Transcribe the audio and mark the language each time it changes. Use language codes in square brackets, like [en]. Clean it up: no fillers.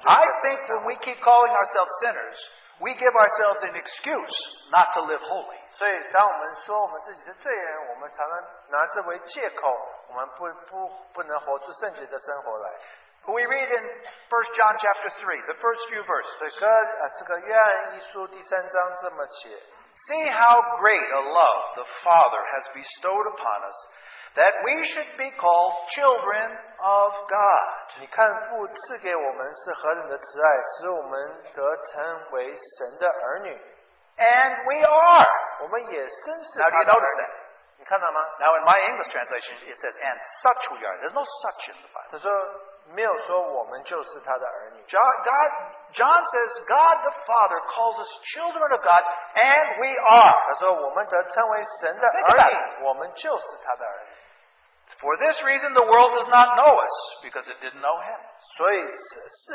[en] I think when we keep calling ourselves sinners, we give ourselves an excuse not to live holy. [zh] 所以当我们说我们自己是罪人，我们常常拿这为借口，我们不能活出圣洁的生活来。 [en] We read in 1 John chapter 3, the first few verses. [zh] 这个约翰一书第三章这么写。 [en] See how great a love the Father has bestowed upon us that we should be called children of God. [zh] 你看父赐给我们是何等的慈爱，使我们得成为神的儿女。 [en] And we are. [zh] 我们也深深 [en] Now do you notice that? [zh] 你看到吗? [en] Now in my English translation, it says, and such we are. There's no such in the Bible. [zh] 他说没有说我们就是他的儿女。 [en] John says, God the Father calls us children of God, and we are. [zh] 他说我们得成为神的儿女，我们就是他的儿女。 [en] For this reason, the world does not know us, because it didn't know him.